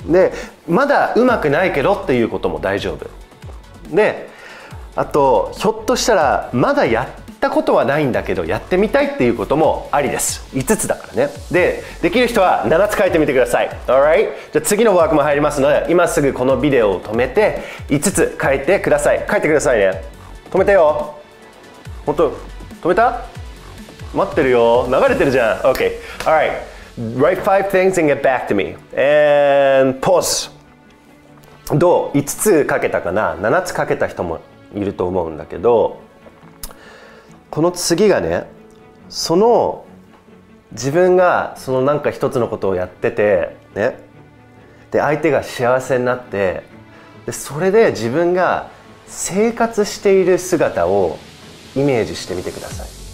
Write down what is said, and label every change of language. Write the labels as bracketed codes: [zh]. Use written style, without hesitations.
[ja] でまだうまくないけどっていうことも大丈夫で、あとひょっとしたらまだやったことはないんだけどやってみたいっていうこともありです。5つだからね。でできる人は7つ書いてみてください。Alright? じゃ次のワークも入りますので、今すぐこのビデオを止めて5つ書いてください。書いてくださいね。止めてよ、本当、止めた？待ってるよ、流れてるじゃん。 [en] OK, alright, write 5 things and get back to me and pause. [ja] どう5つ書けたかな、7つ書けた人もいると思うんだけど、この次がね、その自分がそのなんか一つのことをやっててね、で相手が幸せになって、でそれで自分が生活している姿をイメージしてみてください。